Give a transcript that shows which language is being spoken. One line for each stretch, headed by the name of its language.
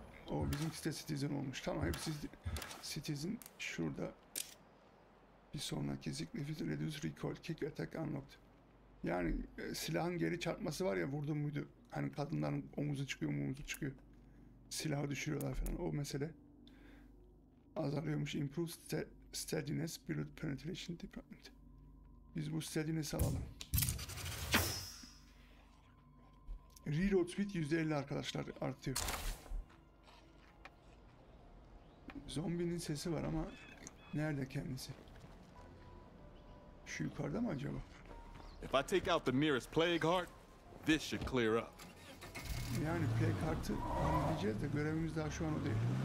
Turkish: O bizimki de Citizen olmuş. Tamam, hepsi Citizen. Şurada bir sonraki
English: Zignifiz Reduce Recoil Kick Attack Unlocked.
Turkish: Yani silahın geri çarpması var ya, vurdum muydu? Hani kadınların omuzu çıkıyor, omuzu çıkıyor. Silahı düşürüyorlar falan, o mesele. Azalıyormuş.
English: Improved steadiness, blood penetration department.
Turkish: Biz bu steadiness'i alalım. Reload speed %50 arkadaşlar artıyor. Zombinin sesi var ama nerede kendisi? Şu yukarıda mı acaba?
English: If I take out the nearest plague heart, this should clear up.
Turkish: Yani plague heart'ı halledeceğiz de görevimiz daha şu an o değil.